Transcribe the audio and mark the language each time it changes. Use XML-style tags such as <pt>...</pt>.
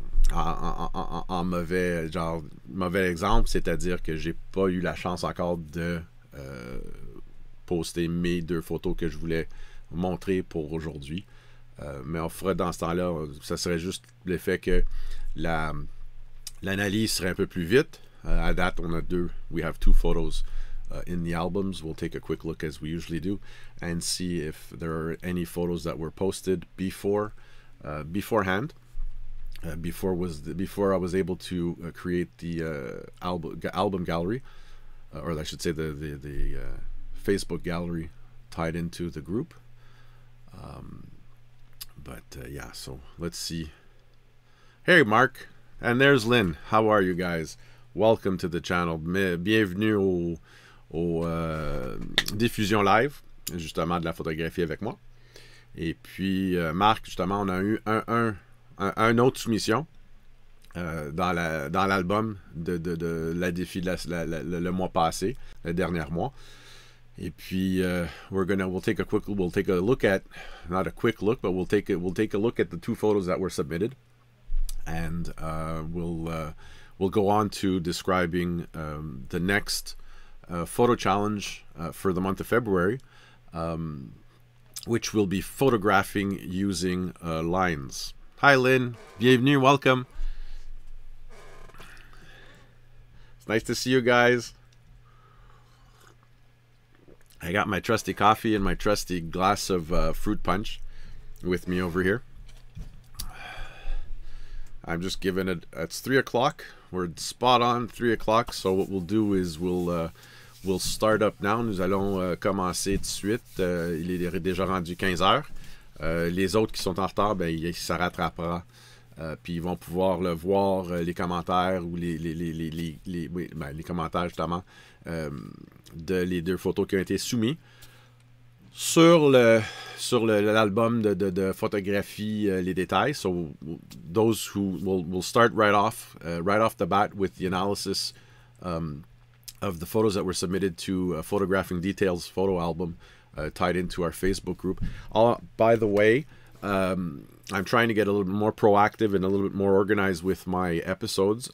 <fr>En mauvais, genre, mauvais exemple, c'est-à-dire que j'ai pas eu la chance encore de poster mes deux photos que je voulais montrer pour aujourd'hui. Mais on ferait dans ce temps-là, ça serait juste le fait que l'analyse serait un peu plus vite. À date, on a deux.</fr> <en>We have two photos in the albums. We'll take a quick look as we usually do and see if there are any photos that were posted beforehand. Before I was able to create the album gallery, or I should say the Facebook gallery tied into the group. So let's see. Hey, Mark. And there's Lynn. How are you guys? Welcome to the channel.</en> <fr>Bienvenue au diffusion live, justement, de la photographie avec moi. Et puis, Marc, justement, on a eu un autre soumission dans l'album de la défi de le mois passé, le dernier mois. Et puis</fr> <en>we'll take a look at the two photos that were submitted, and we'll go on to describing the next photo challenge for the month of February, which will be photographing using lines. Hi, Lynn. Bienvenue. Welcome. It's nice to see you guys. I got my trusty coffee and my trusty glass of fruit punch with me over here. I'm just giving it. It's 3 o'clock. We're spot on 3 o'clock. So what we'll do is we'll start up now.</en> <fr>Nous allons commencer de suite. Il est déjà rendu 15 heures. Les autres qui sont en retard, ben, ils se rattrapera. Puis ils vont pouvoir le voir, les commentaires, ou les commentaires justement, de les deux photos qui ont été soumises sur le l'album de photographie les détails.</fr> <en>So those who will start right off the bat with the analysis of the photos that were submitted to Photographing Details photo album tied into our Facebook group. By the way, I'm trying to get a little bit more proactive and a little bit more organized with my episodes.</en>